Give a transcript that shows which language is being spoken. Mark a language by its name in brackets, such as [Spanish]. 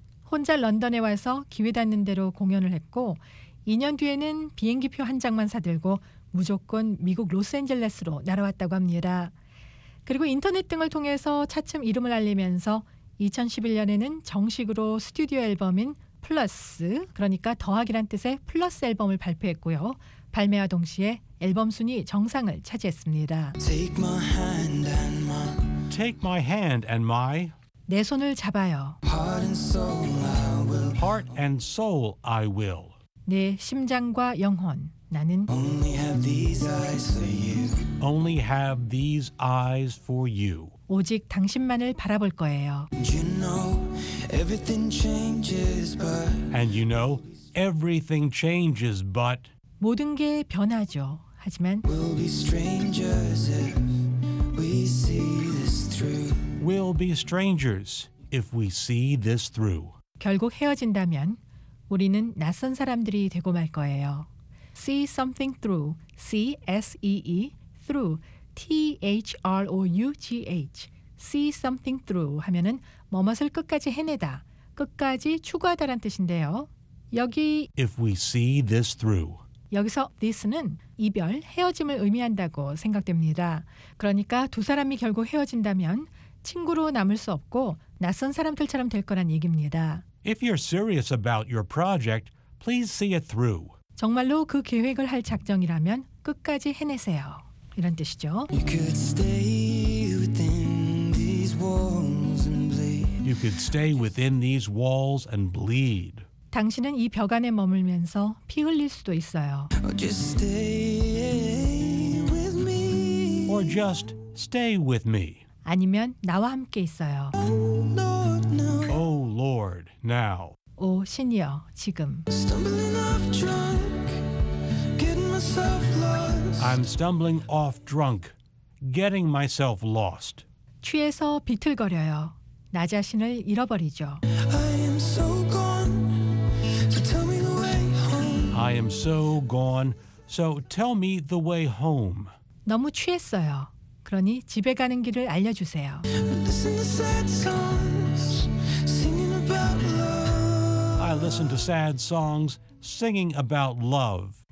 [Korean] 혼자 런던에 와서 기회 닿는 대로 공연을 했고 2년 뒤에는 비행기표 한 장만 사들고 무조건 미국 로스앤젤레스로 날아왔다고 합니다. 그리고 인터넷 등을 통해서 차츰 이름을 알리면서 2011년에는 정식으로 스튜디오 앨범인 플러스, 그러니까 더하기란 뜻의 플러스 앨범을 발표했고요. 발매와 동시에 앨범 순위 정상을 차지했습니다. [English] Take my hand and my, Take my, hand and my. [Korean] 내 손을 잡아요. [English] Heart and soul I will. Heart and soul I will. [Korean] 내 심장과 영혼 나는 [English] Only have these eyes for you. Only have these eyes for you. [Korean] 오직 당신만을 바라볼 거예요. [English] You know, everything changes but And you know everything changes but [Korean] 모든 게 변하죠. 하지만 [English] We'll be strangers if we see this through. We'll be strangers if we see this through. [Korean] 결국 헤어진다면 우리는 낯선 사람들이 되고 말 거예요. [English] See something through. C-S-E-E through. T-H-R-O-U-G-H. See something through [Korean] 하면은 뭐뭇을 끝까지 해내다, 끝까지 추구하다란 뜻인데요. 여기 [English] If we see this through. [Korean] 여기서 this는 이별, 헤어짐을 의미한다고 생각됩니다. 그러니까 두 사람이 결국 헤어진다면 친구로 남을 수 없고 낯선 사람들처럼 될 거란 얘기입니다. [English] If you're serious about your project, please see it through. [Korean] 정말로 그 계획을 할 작정이라면 끝까지 해내세요. 이런 뜻이죠. [English] You could stay within these walls and bleed. You could stay within these walls and bleed. [Korean] 당신은 이 벽 안에 머물면서 피 흘릴 수도 있어요. [English] Or just stay with me. Or just stay with me. [Korean] 아니면 나와 함께 있어요. [English] Oh Lord, now. Oh Lord, now. [Korean] 오 신이여, 지금. [English] Stumbling off drunk, getting myself lost. I'm stumbling off drunk, getting myself lost. [Korean] 취해서 비틀거려요. 나 자신을 잃어버리죠. [English] I am so gone. So tell me the way home. I am so gone. So tell me the way home. [Korean] 너무 취했어요. 그러니 집에 가는 길을 알려주세요. [English] Listen to sad songs, singing about love. I listen to sad songs, singing about love.